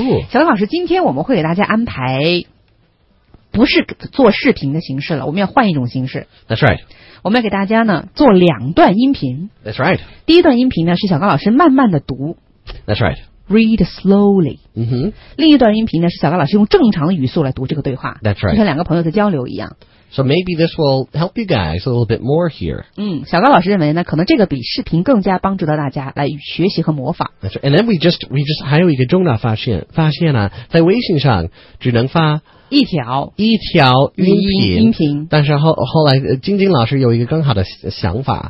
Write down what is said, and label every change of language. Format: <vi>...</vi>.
<zh>小林老师，今天我们会给大家安排不是做视频的形式了，我们要换一种形式。</zh> <en>That's right.</en> <zh>我们要给大家呢做两段音频。</zh> <en>That's right.</en> <zh>第一段音频呢是小高老师慢慢的读。</zh> <en>That's right. Read slowly. 嗯哼。</en> <zh>另一段音频呢，是小高老师用正常的语速来读这个对话。</zh> <en>That's right.</en> <zh>就像两个朋友在交流一样。</zh> <en>So maybe this will help you guys a little bit more here.</en> <zh>嗯，小高老师认为呢，可能这个比视频更加帮助到大家来学习和模仿。</zh> <en>That's right. And then we just</en> <zh>还有一个重大发现啊，在微信上只能发一条音频。但是后来，晶晶老师有一个更好的想法。</zh>